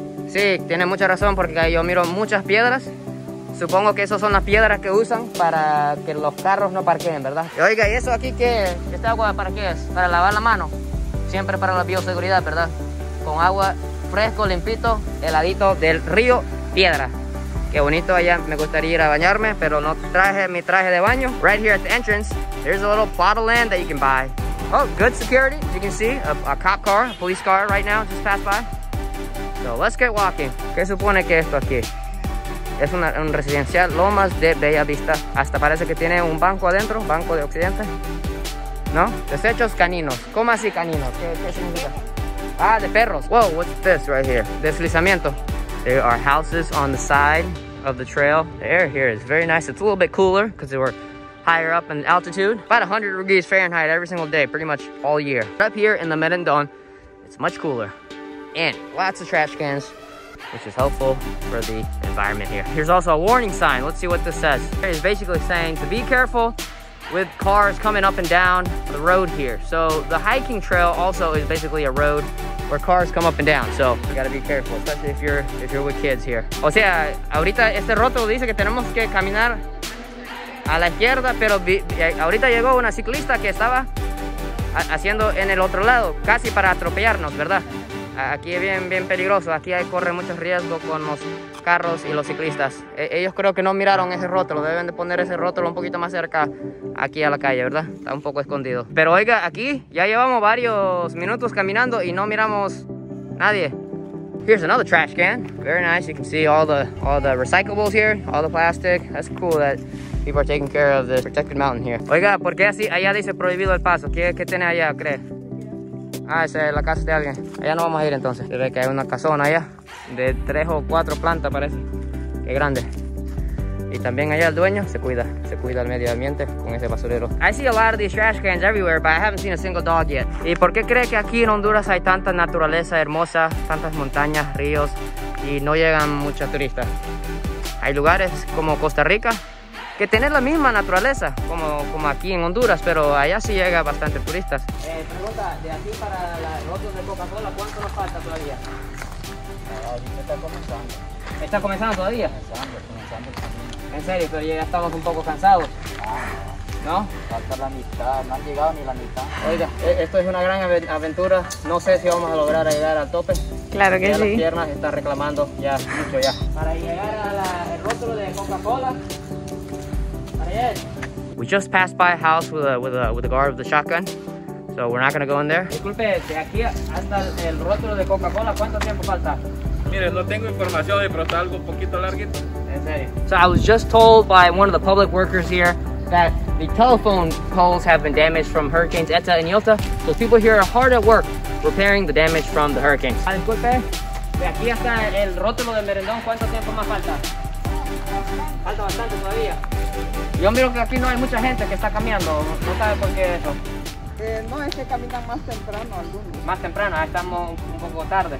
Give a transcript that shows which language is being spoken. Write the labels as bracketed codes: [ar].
[es] Sí, tiene mucha razón porque yo miro muchas piedras. Supongo que esas son las piedras que usan para que los carros no parqueen, ¿verdad? Y oiga, ¿y eso aquí qué es? ¿Este agua para qué es? Para lavar la mano. Siempre para la bioseguridad, ¿verdad? Con agua fresco, limpito, heladito del río Piedra. Qué bonito allá, me gustaría ir a bañarme, pero no traje mi traje de baño. [en] Right here at the entrance, there's a little plot of land that you can buy. Oh, good security, as you can see, a cop car, a police car right now, just passed by. So let's get walking. [es] ¿Qué supone que esto aquí? Es un residencial Lomas de Bella Vista. Hasta parece que tiene un banco adentro, Banco de Occidente. ¿No? Desechos caninos. ¿Cómo así caninos? ¿Qué significa? Ah, de perros. [en] Whoa, what's this right here? Deslizamiento. There are houses on the side of the trail. The air here is very nice. It's a little bit cooler because we're higher up in altitude. About 100 degrees Fahrenheit every single day, pretty much all year. Up here in the Merendon, it's much cooler. And lots of trash cans, which is helpful for the environment here. Here's also a warning sign. Let's see what this says. It's basically saying to be careful with cars coming up and down the road here. So the hiking trail also is basically a road where cars come up and down. So you gotta be careful, especially if you're with kids here. [es] O sea, ahorita este rótulo dice que tenemos que caminar a la izquierda, pero ahorita llegó una ciclista que estaba haciendo en el otro lado, casi para atropellarnos, ¿verdad? Aquí es bien peligroso, aquí corre mucho riesgo con los carros y los ciclistas. Ellos creo que no miraron ese rótulo, deben de poner ese rótulo un poquito más cerca aquí a la calle, ¿verdad? Está un poco escondido. Pero oiga, aquí ya llevamos varios minutos caminando y no miramos nadie. [en] Here's another trash can. Very nice, you can see all the recyclables here, all the plastic. That's cool that people are taking care of this protected mountain here. [es] Oiga, ¿por qué así? Allá dice prohibido el paso. ¿Qué tiene allá, cree? Ah, esa es la casa de alguien. Allá no vamos a ir entonces. Se ve que hay una casona allá de 3 o 4 plantas, parece. Qué grande. Y también allá el dueño se cuida el medio ambiente con ese basurero. [en] I see a lot of these trash cans everywhere, but I haven't seen a single dog yet. [es] ¿Y por qué cree que aquí en Honduras hay tanta naturaleza hermosa, tantas montañas, ríos y no llegan muchos turistas? Hay lugares como Costa Rica que tienen la misma naturaleza como aquí en Honduras, pero allá sí llega bastante turistas. Pregunta, de aquí para los otros de Coca-Cola, ¿cuánto nos falta todavía? Está comenzando. ¿Está comenzando todavía? Comenzando. ¿En serio? Pero ya estamos un poco cansados. No. Falta la mitad, no han llegado ni la mitad. Oiga, esto es una gran aventura, no sé si vamos a lograr llegar al tope. Claro que ya sí. Las piernas están reclamando ya, mucho ya. Para llegar al rostro de Coca-Cola, [en] we just passed by a house with a guard with a shotgun, so we're not gonna go in there. [es] Disculpe, de aquí hasta el rótulo de Coca-Cola, ¿cuánto tiempo falta? Mire, no tengo información, pero está algo un poquito larguito. En serio. [en] So I was just told by one of the public workers here that the telephone poles have been damaged from hurricanes Eta and Iota, so people here are hard at work repairing the damage from the hurricanes. [es] Disculpe, de aquí hasta el rótulo de Merendon, ¿cuánto tiempo más falta? Falta bastante todavía. Yo miro que aquí no hay mucha gente que está caminando, no sabe por qué eso. No, es que caminan más temprano algunos. Más temprano, ahí estamos un poco tarde.